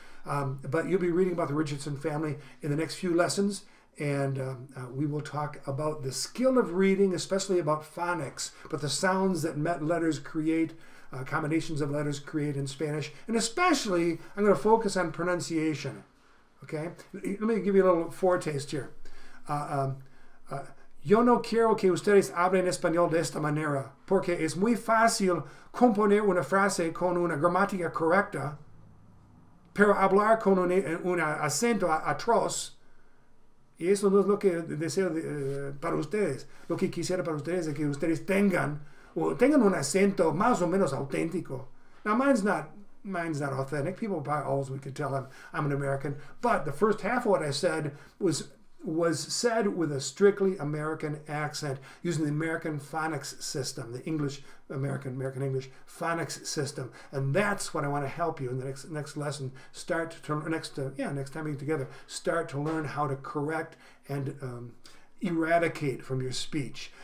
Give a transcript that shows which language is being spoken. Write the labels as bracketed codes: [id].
[en] But you'll be reading about the Richardson family in the next few lessons, and we will talk about the skill of reading, especially about phonics, but the sounds that letters create, combinations of letters create in Spanish, and especially, I'm going to focus on pronunciation, okay? Let me give you a little foretaste here. [es] Yo no quiero que ustedes hablen español de esta manera, porque es muy fácil componer una frase con una gramática correcta, pero hablar con un acento atroz, y eso no es lo que deseo para ustedes. Lo que quisiera para ustedes es que ustedes tengan un acento más o menos auténtico. [en] Now, mine's not authentic. People probably always could tell I'm an American. But the first half of what I said was said with a strictly American accent, using the American phonics system, the English American English phonics system. And that's what I want to help you in the next lesson, next time we get together, start to learn how to correct and eradicate from your speech.